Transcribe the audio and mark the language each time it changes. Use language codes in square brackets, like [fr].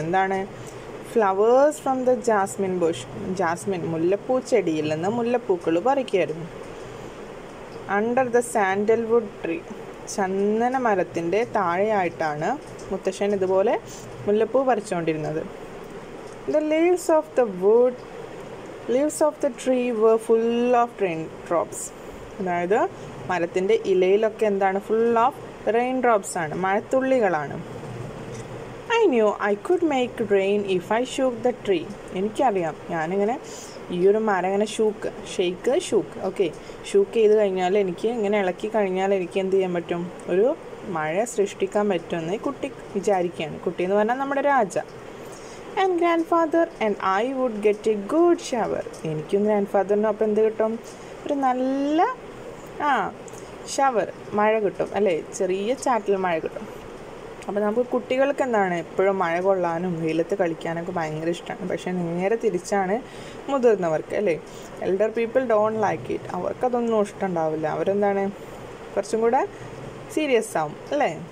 [ml] എന്താണ് [en] flowers from the jasmine bush, [ml] Jasmine മുല്ലപ്പൂ ചെടിയിൽ നിന്ന് മുല്ലപ്പൂക്കൾ പറിക്കുകയായിരുന്നു. [en] under the sandalwood tree, [ml] ചന്ദന മരത്തിൻ്റെ താഴെയായിട്ടാണ് മുത്തശ്ശൻ ഇതുപോലെ മുല്ലപ്പൂ പറിച്ചുകൊണ്ടിരുന്നത്. [en] The leaves of the wood Leaves of the tree were full of raindrops. [ml] അതായത് മരത്തിൻ്റെ ഇലയിലൊക്കെ എന്താണ്, [en] full of raindrops [ml] ആണ്, മഴത്തുള്ളികളാണ്. [en] I knew I could make rain if I shook the tree, [ml] എനിക്കറിയാം ഞാനിങ്ങനെ ഈ ഒരു മരം ഇങ്ങനെ shook shake shook okay shook ചെയ്ത് കഴിഞ്ഞാൽ എനിക്ക് ഇങ്ങനെ ഇളക്കി കഴിഞ്ഞാൽ എനിക്ക് എന്ത് ചെയ്യാൻ പറ്റും, ഒരു മഴ സൃഷ്ടിക്കാൻ പറ്റുമെന്ന് കുട്ടി വിചാരിക്കുകയാണ്. കുട്ടി എന്ന് പറഞ്ഞാൽ നമ്മുടെ രാജ. [en] And grandfather and I would get a good shower. [ml] എനിക്കും grandfather-നും അപ്പം എന്ത് കിട്ടും, ഒരു നല്ല ആ ഷവർ മഴ കിട്ടും അല്ലേ, ചെറിയ ചാറ്റൽ മഴ കിട്ടും. അപ്പം നമുക്ക് കുട്ടികൾക്ക് എന്താണ് എപ്പോഴും മഴ കൊള്ളാനും വെയിലത്ത് കളിക്കാനൊക്കെ ഭയങ്കര ഇഷ്ടമാണ്. പക്ഷേ നേരെ തിരിച്ചാണ് മുതിർന്നവർക്ക് അല്ലേ. [en] elder people don't like it, [ml] അവർക്കതൊന്നും ഇഷ്ടമുണ്ടാവില്ല, അവരെന്താണ് കുറച്ചും കൂടെ സീരിയസ് ആവും അല്ലേ.